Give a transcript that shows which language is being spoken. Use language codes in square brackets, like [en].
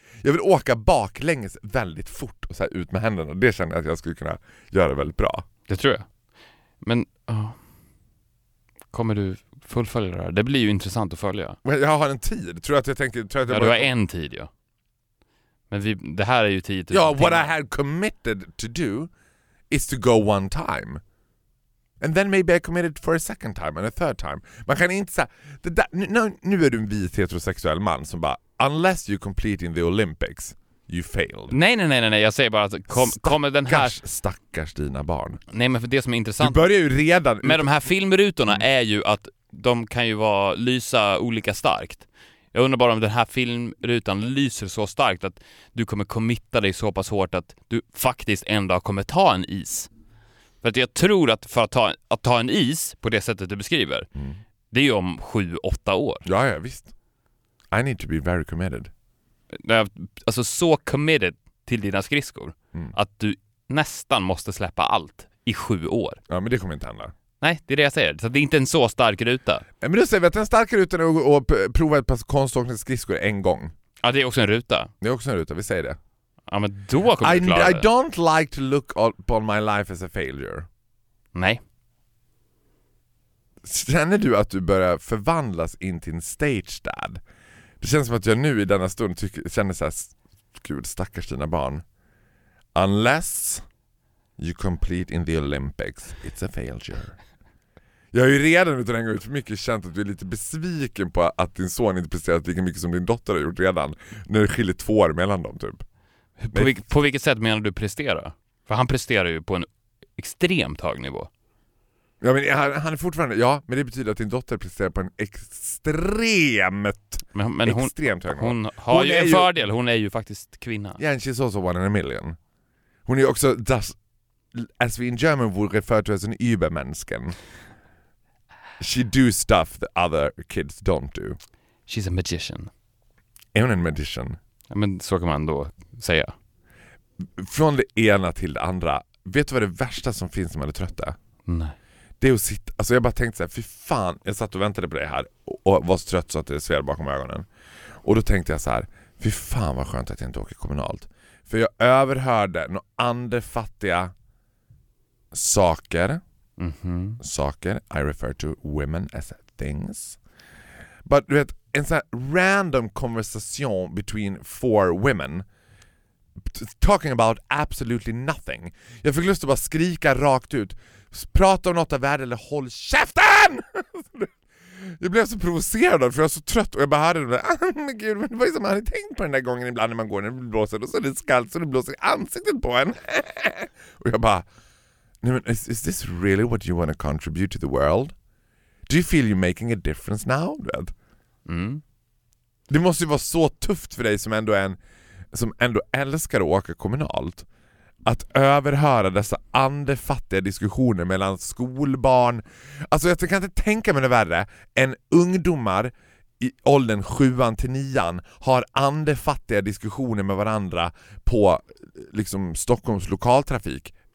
[sv] Jag vill åka baklänges väldigt fort och så här ut med händerna. Det känner jag att jag skulle kunna göra väldigt bra. Det tror jag. Men kommer du fullfölja det här? Det blir ju intressant att följa. Jag har en tid. Tror att jag tänker, tror att jag ja, bara... du har en tid, ja. Men det här är ju tid. [en] Ja, what I had committed to do is to go one time. And then maybe I committed for a second time and a third time. [sv] Man kan inte säga... Nu är du en vit heterosexuell man som bara, [en] unless you complete in the Olympics, you failed. [sv] Nej. Jag säger bara att kommer den här... Stackars dina barn. Nej, men för det som är intressant... Du börjar ju redan... Med de här filmrutorna är ju att de kan ju lysa olika starkt. Jag undrar bara om den här filmrutan lyser så starkt att du kommer kommitta dig så pass hårt att du faktiskt en dag kommer ta en is. För att jag tror att för att ta en is på det sättet du beskriver, det är ju om 7-8 år. Ja, ja, visst. [en] I need to be very committed. [sv] Alltså så committed till dina skridskor att du nästan måste släppa allt i 7 år. Ja, men det kommer inte hända. Nej, det är det jag säger. Så det är inte en så stark ruta. Men du säger att en stark ruta är att prova ett par konståkning skridskor en gång. Ja, det är också en ruta. Det är också en ruta, vi säger det. Ja, men då kommer du klara [en] det. I don't like to look upon my life as a failure. [sv] Nej. Känner du att du börjar förvandlas in till en stage dad? Det känns som att jag nu i denna stund känner så här, gud, stackars dina barn. [en] Unless you complete in the Olympics, it's a failure. [sv] Jag har ju redan utan en gång ut för mycket känt att du är lite besviken på att din son inte presterat lika mycket som din dotter har gjort redan. När det skiljer 2 år mellan dem typ. På vilket sätt menar du prestera? För han presterar ju på en extremt hög nivå. Ja, men han är fortfarande, ja, men det betyder att din dotter presterar på en extremt, men hon, extremt hög nivå. Hon har ju en fördel, hon är ju faktiskt kvinna. [en] Yeah, and she's also one in a million. [sv] Hon är ju också, [en] as we in German would refer to as an übermänniskan. She do stuff that other kids don't do. She's a magician. [sv] Är hon en magician? Ja, men så kan man då säga. Från det ena till det andra. Vet du vad det värsta som finns när man är trött? Nej. Det är att sitta, alltså jag bara tänkte så här, fy fan, jag satt och väntade på det här och var så trött så att det sved bakom ögonen. Och då tänkte jag så här, fy fan vad skönt att jag inte åker kommunalt. För jag överhörde några andefattiga saker. Mm-hmm. [en] Saker, I refer to women as things. But [sv] du vet, en sån här [en] random conversation between 4 women. Talking about absolutely nothing. [sv] Jag fick lust att bara skrika rakt ut. Prata om något av värde eller håll käften! Jag blev så provocerad för jag är så trött och jag bara hörde det. Ah, men gud, men vad är det som man hade tänkt på den där gången ibland när man går när det blåser och så är det skallt så det blåser i ansiktet på en. Och jag bara, nej, men [en] is this really what you want to contribute to the world? Do you feel you're making a difference now? Mm. [sv] Det måste ju vara så tufft för dig som ändå är en, som ändå älskar att åka kommunalt. Att överhöra dessa andefattiga diskussioner mellan skolbarn. Alltså jag kan inte tänka mig det värre än ungdomar i åldern 7-9 har andefattiga diskussioner med varandra på liksom Stockholms lokaltrafik.